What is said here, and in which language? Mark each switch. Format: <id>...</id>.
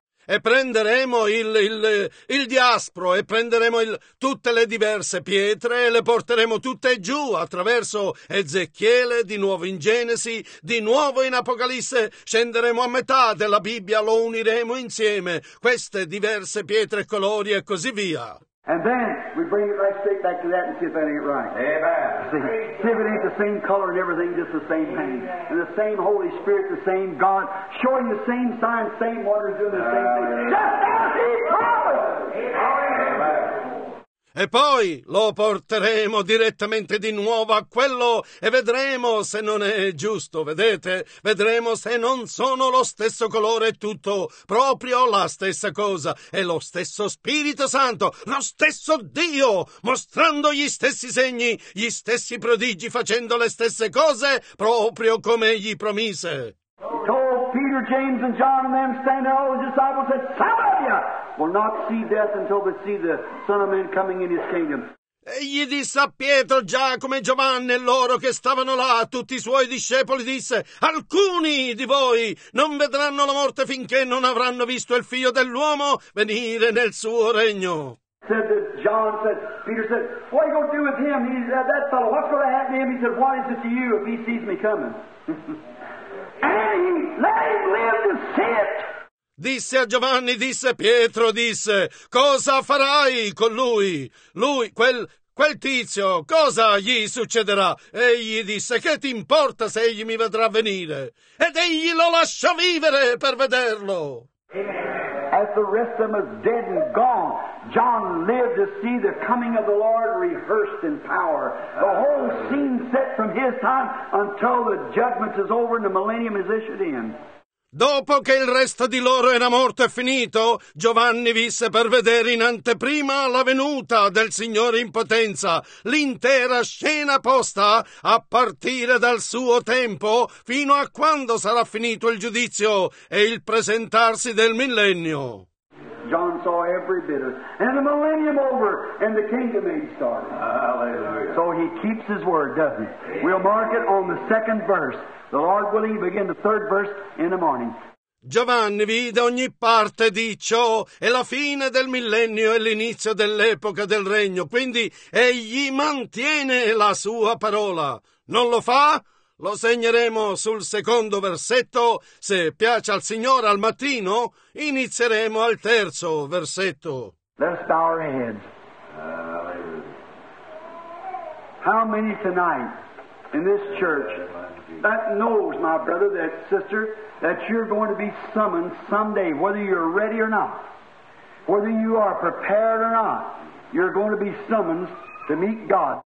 <it>E prenderemo il diaspro, e prenderemo tutte le diverse pietre, e le porteremo tutte giù attraverso Ezechiele, di nuovo in Genesi, di nuovo in Apocalisse. Scenderemo a metà della Bibbia, lo uniremo insieme, queste diverse pietre, colori e così via.</it> <en>And then we bring it right straight back to that and see if that ain't right. Amen. See if it ain't the same color and everything, just the same pain. And the same Holy Spirit, the same God, showing the same signs, same wonders, doing the same thing. Amen. Just as He promised! Amen. Amen.</en> <it>E poi lo porteremo direttamente di nuovo a quello e vedremo se non è giusto, vedete? Vedremo se non sono lo stesso colore e tutto, proprio la stessa cosa. È lo stesso Spirito Santo, lo stesso Dio, mostrando gli stessi segni, gli stessi prodigi, facendo le stesse cose, proprio come gli promise.</it> <en>Peter, James, and John, and them stand there, all the disciples, said, some of you will not see death until they see the Son of Man coming in His kingdom.</en> <it>E gli disse a Pietro, Giacomo e Giovanni, loro che stavano là, tutti i suoi discepoli, disse, alcuni di voi non vedranno la morte finché non avranno visto il Figlio dell'uomo venire nel suo regno.</it> <en>Said that John said, Peter said, what are you going to do with him? He said, that fellow, what's going to happen to him? He said, what is it to you if he sees me coming? And he let him live to see it.</en> <it>Disse a Giovanni, disse Pietro, disse, cosa farai con lui? Lui, quel tizio, cosa gli succederà? Egli disse, che ti importa se egli mi vedrà venire? Ed egli lo lasciò vivere per vederlo.</it> <en>As the rest of them was dead and gone, John lived to see the coming of the Lord rehearsed in power. The whole scene set from his time until the judgment is over and the millennium is issued in.</en> <it>Dopo che il resto di loro era morto e finito, Giovanni visse per vedere in anteprima la venuta del Signore in potenza, l'intera scena posta a partire dal suo tempo fino a quando sarà finito il giudizio e il presentarsi del millennio.</it> <en>John saw every bit of it. And the millennium over, and the kingdom age started. Hallelujah. So he keeps his word, doesn't he? We'll mark it on the second verse. The Lord willing, begin the third verse in the morning.</en> <it>Giovanni vide ogni parte di ciò, e la fine del millennio e l'inizio dell'epoca del regno. Quindi egli mantiene la sua parola. Non lo fa? Lo segneremo sul secondo versetto. Se piace al Signore, al mattino inizieremo al terzo versetto.</it> <en>Let us bow our heads. How many tonight in this church that knows, my brother, that sister, that you're going to be summoned someday, whether you're ready or not, whether you are prepared or not, you're going to be summoned to meet God.</en>